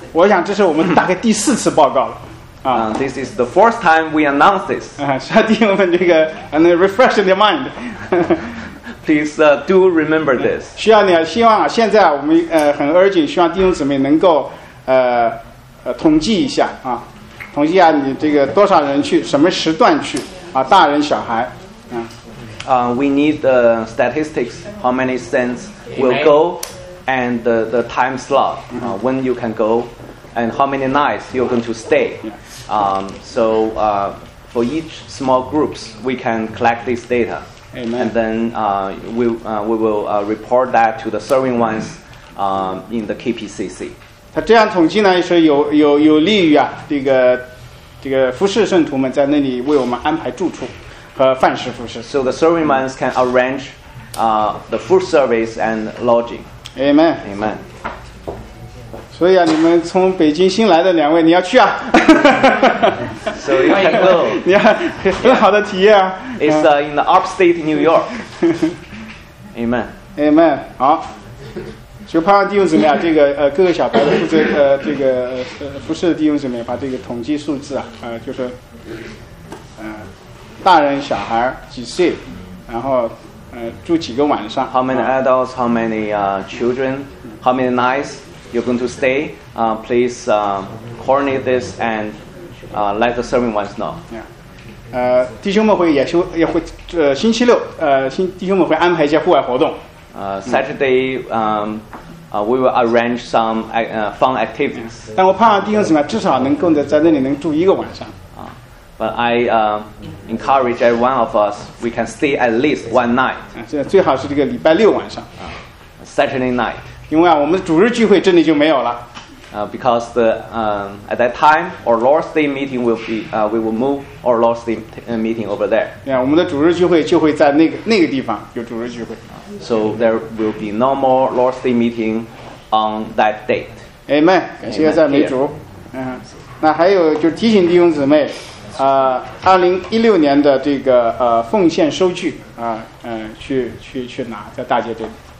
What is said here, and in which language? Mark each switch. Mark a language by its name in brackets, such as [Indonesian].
[Chinese] 我想这是我们大概第四次报告了。 [English] This is the fourth time we announced this. [Chinese] 下地我们这个 [English] and refresh your mind. Please do remember this. [Chinese] 需要你希望现在我们很 urgent, 希望弟兄姊妹能够统计一下啊，统计一下你这个多少人去，什么时段去啊，大人小孩， [English] We need the statistics. How many saints will go, and the time slot, when you can go, and how many nights you're going to stay. For each small groups, we can collect this data, and then we will report that to the serving ones, in the KPCC. [Chinese] 他这样统计呢，是有利于啊，这个服侍圣徒们在那里为我们安排住处和饭食服侍。 [English] So the serving men can arrange, the food service and lodging. Amen. Amen. [Chinese] 所以啊，你们从北京新来的两位，你要去啊。 [English] So you can go. [Chinese] 你看，很好的体验啊。 [English] It's in the upstate New York. Amen. Amen. 好。 [Chinese] 就盼望弟兄姊妹啊，这个各个小白的负责服侍的弟兄姊妹，把这个统计数字啊，大人小孩几岁，然后住几个晚上。 [English] How many adults? How many children? How many nights you're going to stay? Please coordinate this and let the serving ones know. Yeah. [Chinese] 弟兄们也会星期六弟兄们会安排一些户外活动。 [English] Saturday, we will arrange some fun activities. [Chinese] 但我盼望弟兄姊妹至少能够在那里能住一个晚上。 [English] But I encourage every one of us, we can stay at least one night. [Chinese] 最好是这个礼拜六晚上。 [English] Saturday night. [Chinese] 因为我们主日聚会这里就没有了。 [English] Because the, at that time, our Lord's Day meeting will be, we will move our Lord's Day meeting over there. [Chinese] Yeah, 我们的主日聚会就会在那个地方有主日聚会。 [English] So there will be no more Lord's Day meeting on that date. [Chinese] Amen. 感谢赞美主。那还有就提醒弟兄姊妹，2016年的这个奉献收据去拿在大街这里。